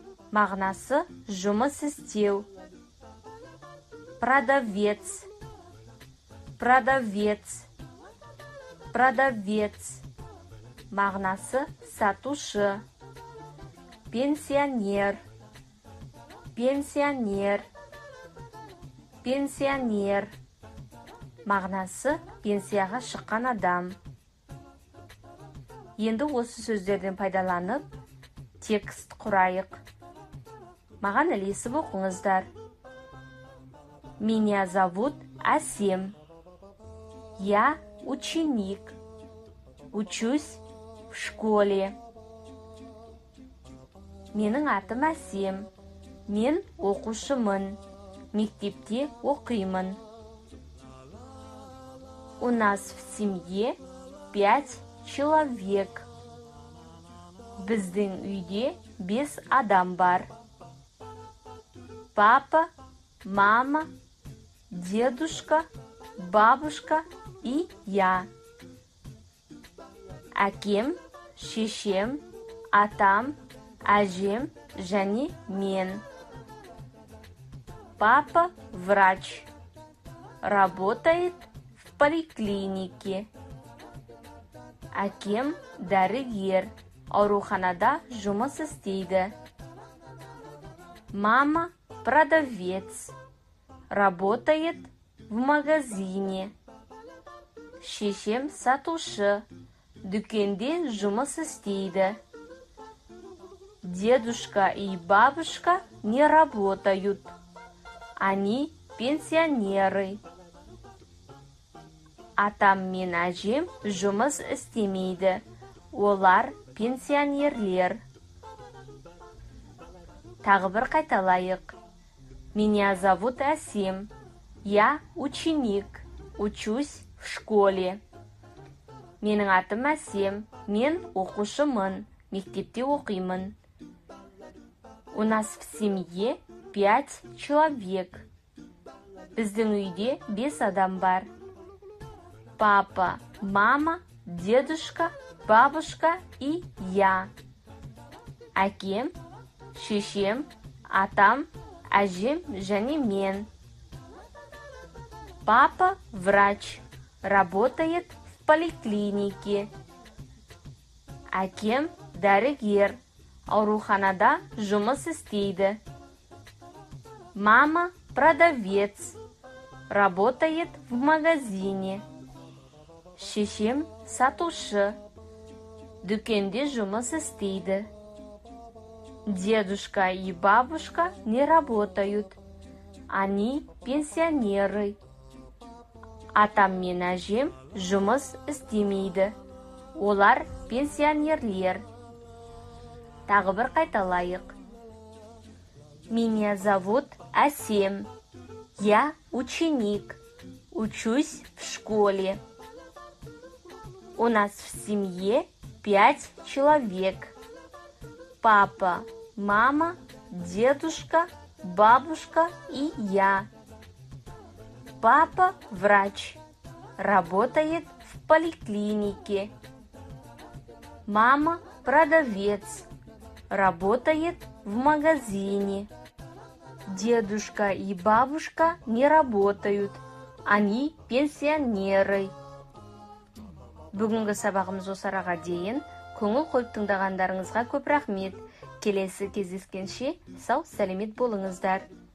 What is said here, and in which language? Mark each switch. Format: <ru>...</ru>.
<kk>Мағынасы жұмыс істеу.</kk> <ru>Продавец, продавец, продавец.</ru> <kk>Мағынасы сатушы.</kk> <ru>Пенсионер, пенсионер, пенсионер.</ru> <kk>Мағынасы пенсияға шыққан адам. Енді осы сөздерден пайдаланып текст құрайық. Маған ілесіп оқыңыздар.</kk> <ru>Меня зовут Асем. Я ученик. Учусь в школе.</ru> <kk>Менің атым Асем. Мен оқушымын. Мектепте оқимын.</kk> <ru>У нас в семье пять человек.</ru> <kk>Біздің үйде бес адам бар.</kk> <ru>Папа, мама, дедушка, бабушка и я.</ru> <kk>Әкем, шешем, атам, әжем, және мен.</kk> <ru>Папа врач, работает в поликлинике.</ru> <kk>Әкем дәрігер, ауруханада жұмыс істейді.</kk> <ru>Мама продавец, работает в магазине.</ru> <kk>Шешем сатушы, дүкенде жұмыс істейді.</kk> <ru>Дедушка и бабушка не работают, они пенсионеры.</ru> <kk>атам мен әжем жұмыс істемейді. Олар пенсионерлер. Тағы бір қайталайық.</kk> <ru>Меня зовут Асим. Я ученик. Учусь в школе.</ru> <kk>Менің атым Асим. Мен оқушымын. Мектепте оқимын.</kk> <ru>У нас в семье 5 человек.</ru> <kk>Біздің үйде 5 адам бар.</kk> <ru>Папа, мама, дедушка, бабушка и я.</ru> <kk>Әкем, шешем, атам, әжем және мен.</kk> <ru>Папа врач, работает в поликлинике.</ru> <kk>Әкем дәрігер, ауруханада жұмыс істейді.</kk> <ru>Мама продавец, работает в магазине.</ru> <kk>Шешем сатушы, дүкенде жұмыс істейді.</kk> <ru>Дедушка и бабушка не работают, они пенсионеры.</ru> <kk>Атам мен әжем жұмыс істемейді. Олар пенсионерлер. Тағы бір қайталайық.</kk> <ru>Меня зовут Асем. Я ученик. Учусь в школе. У нас в семье 5 человек. Папа, мама, дедушка, бабушка и я. Папа врач, работает в поликлинике. Мама продавец, работает в магазине. Дедушка и бабушка не работают, они пенсионеры.</ru> <kk>Бүгінгі сабағымыз осы араға дейін. Көңіл қойып тыңдағандарыңызға көп рахмет. Келесі кездескенше сау сәлемет болыңыздар.</kk>